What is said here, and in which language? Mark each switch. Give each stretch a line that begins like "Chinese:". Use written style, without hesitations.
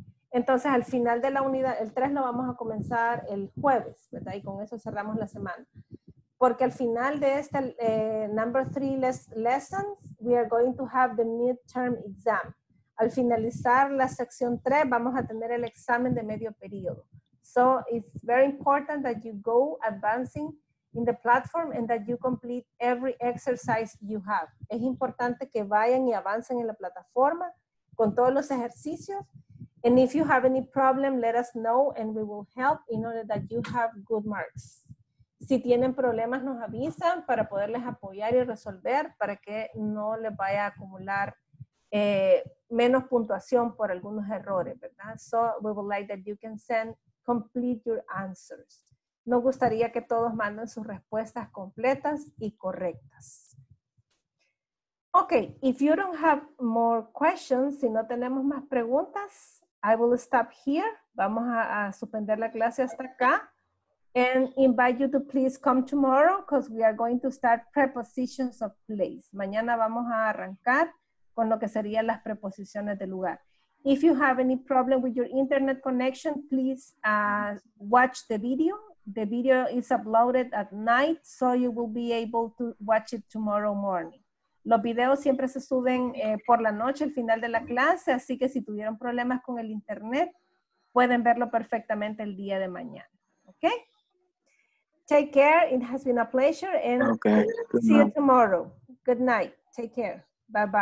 Spanish: Entonces, al final de la unidad, el 3 lo vamos a comenzar el jueves, ¿verdad? Y con eso cerramos la semana. Porque al final de este
English: number 3 lessons, we are going to have the midterm exam.
Spanish: Al finalizar la sección 3, vamos a tener el examen de medio periodo.
English: So, it's very important that you go advancing in the platform and that you complete every exercise you have.
Spanish: Es importante que vayan y avancen en la plataforma con todos los ejercicios.
English: And if you have any problem, let us know and we will help in order that you have good marks.
Spanish: Si tienen problemas, nos avisan para poderles apoyar y resolver para que no les vaya a acumular menos puntuación por algunos errores, ¿verdad?
English: So we would like that you can send complete your answers.
Spanish: Nos gustaría que todos manden sus respuestas completas y correctas.
English: Okay, if you don't have more questions,
Spanish: si no tenemos más preguntas,
English: I will stop here.
Spanish: Vamos a suspender la clase hasta acá.
English: And invite you to please come tomorrow because we are going to start prepositions of place.
Spanish: Mañana vamos a arrancar con lo que serían las preposiciones de lugar.
English: If you have any problem with your internet connection, please watch the video. The video is uploaded at night, so you will be able to watch it tomorrow morning.
Spanish: Los videos siempre se suben por la noche, al final de la clase, así que si tuvieron problemas con el internet, pueden verlo perfectamente el día de mañana.
English: Okay? Take care. It has been a pleasure. And okay. See you tomorrow. Good night. Take care. Bye-bye.